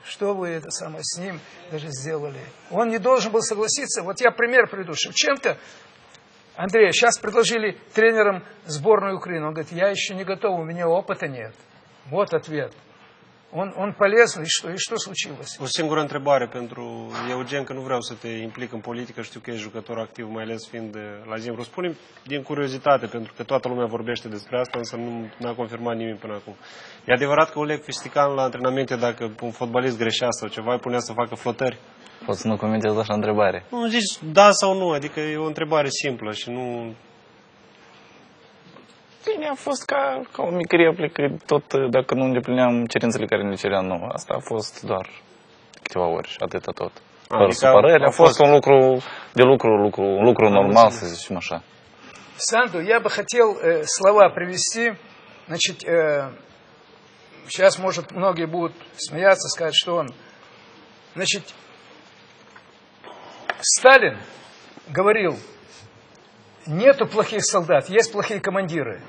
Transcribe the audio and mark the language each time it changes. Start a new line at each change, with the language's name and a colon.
Russian: Что вы это самое с ним даже сделали? Он не должен был согласиться. Вот я пример приведу. Шевченко, Андрей, сейчас предложили тренерам сборной Украины. Он говорит, я еще не готов, у меня опыта нет. Вот ответ. Он полез, и что случилось?
Romanian: O singură întrebare pentru Eugen, că nu vreau să te implic în politică, știu că ești jucător activ, mai ales fiind la Zimbru. Spune-mi din curiozitate, pentru că toată lumea vorbește despre asta, însă nu a confirmat nimeni până acum. E adevărat că Oleg Fistican la antrenamente, dacă un fotbalist greșea sau ceva, îi punea să facă flotări? Poți să nu comentezi la așa întrebare? Nu, zici da sau nu, adică e o întrebare simplă și nu... Bine, a fost ca o mică replică, tot dacă nu îndeplineam cerințele care ne cerea, nu. Asta a fost doar câteva ori și atâta tot. Fără supărări, a fost un lucru de lucru, un lucru normal, să zicem așa.
Russian: Sandu, я бы хотел слова привести, значит, сейчас, может, многие будут смеяться, сказать, что он, значит, Сталин говорил, нету плохих солдат, есть плохие командиры.